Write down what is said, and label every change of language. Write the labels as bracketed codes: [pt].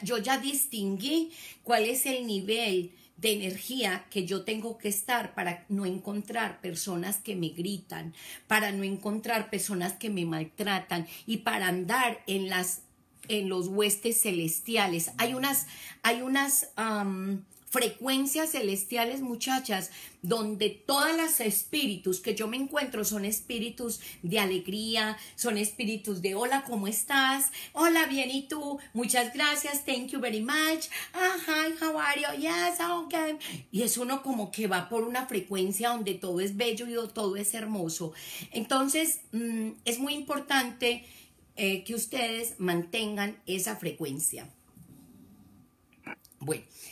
[es] Yo ya distinguí cuál es el nivel de energía que yo tengo que estar para no encontrar personas que me gritan, para no encontrar personas que me maltratan y para andar en los huestes celestiales. Hay unas frecuencias celestiales, muchachas, donde todos los espíritus que yo me encuentro son espíritus de alegría, son espíritus de hola, ¿cómo estás? Hola, bien, ¿y tú? Muchas gracias, [en] thank you very much. Ah, hi, how are you? Yes, okay. [es] Y es uno como que va por una frecuencia donde todo es bello y todo es hermoso. Entonces, es muy importante que ustedes mantengan esa frecuencia. Bueno.